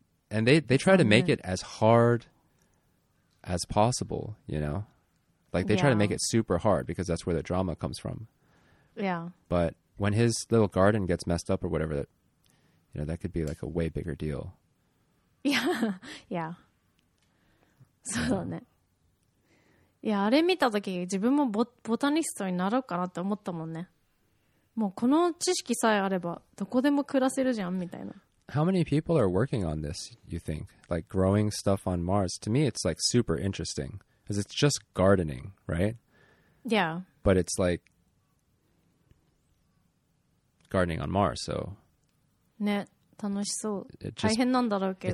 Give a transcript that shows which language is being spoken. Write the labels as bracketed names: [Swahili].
[English] And they try to make it as hard as possible, you know? Like, they try to make it super hard because that's where the drama comes from. Yeah. But when his little garden gets messed up or whatever, that, you know, that could be, like, a way bigger deal. Yeah. Yeah. [Japanese] そうだね。いや、あれ見たとき自分も ボタニストになろうかなって思ったもんね。もうこの知識さえあればどこでも暮らせるじゃんみたいな。 [English] How many people are working on this, you think? Like growing stuff on Mars? To me it's like super interesting because it's just gardening, right? Yeah. But it's like gardening on Mars, so [Japanese] ね、楽しそう。大変なんだろうけど。